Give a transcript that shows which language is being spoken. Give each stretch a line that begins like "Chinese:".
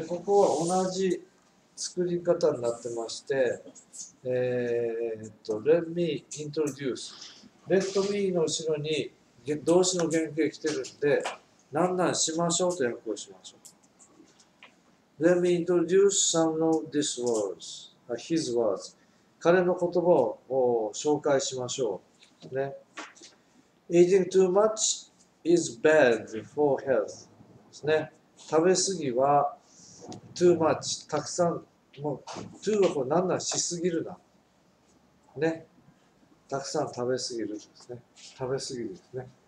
Japanese: で、ここは同じ作り方になってまして、
English: Let me introduce.
Japanese: Let me の後ろに動詞の原型来てるんで、何々しましょうと訳をしましょう。
English: Let me introduce some of these words, his words.
Japanese: 彼の言葉を紹介しましょう。
English: ね、Eating too much is bad for health.
Japanese: ですね、食べ過ぎは、 too much、たくさん、もう too はこう何なんしすぎるな、ね、たくさん食べすぎるですね、食べすぎるですね。